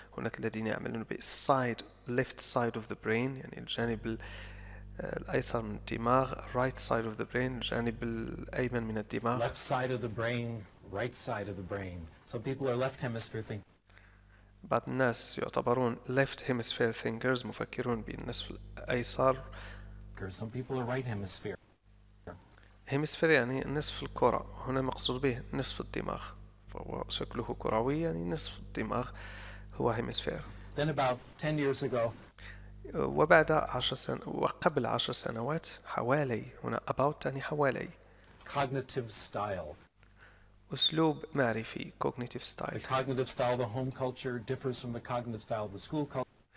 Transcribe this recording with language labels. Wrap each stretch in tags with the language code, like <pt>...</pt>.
<ar>هناك الذين يعملون بالسايد</ar> <en>left side of the brain</en> <ar>يعني الجانب الأيسر من الدماغ,</ar> <en>right side of the brain</en> <ar>الجانب الأيمن من الدماغ.</ar> <en>Left side of the brain, right side of the brain. Some people are left hemisphere thinkers.</en> <ar>بعض الناس يعتبرون</ar> <en>left hemisphere thinkers</en> <ar>مفكرون بالنصف الأيسر.</ar> <en>Some people are right hemisphere.</en> <ar>Hemisphere يعني نصف الكرة, هنا مقصود به نصف الدماغ, فهو شكله كروي يعني نصف الدماغ هو hemisphere.</ar> <en>Then about 10 years ago.</en> <ar>وبعد 10 سنة وقبل 10 سنوات حوالي, هنا about تعني حوالي.</ar> <en>Cognitive style.</en> <ar>أسلوب معرفي cognitive style.</ar> <en>The cognitive style of the home culture differs from the cognitive style of the school culture.</en>